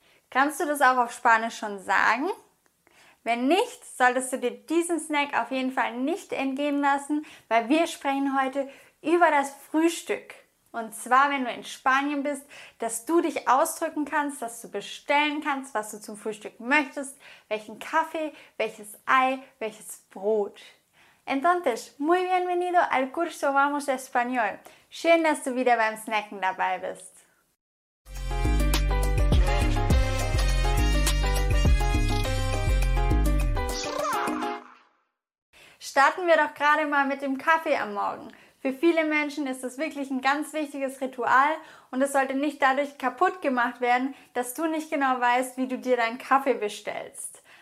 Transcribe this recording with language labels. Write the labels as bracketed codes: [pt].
[de] Kannst du das auch auf Spanisch schon sagen? Wenn nicht, solltest du dir diesen Snack auf jeden Fall nicht entgehen lassen, weil wir sprechen heute über das Frühstück. Und zwar, wenn du in Spanien bist, dass du dich ausdrücken kannst, dass du bestellen kannst, was du zum Frühstück möchtest, welchen Kaffee, welches Ei, welches Brot. [es] Entonces, muy bienvenido al curso Vamos Español. [de] Schön, dass du wieder beim Snacken dabei bist. Starten wir doch gerade mal mit dem Kaffee am Morgen. Für viele Menschen ist das wirklich ein ganz wichtiges Ritual und es sollte nicht dadurch kaputt gemacht werden, dass du nicht genau weißt, wie du dir deinen Kaffee bestellst.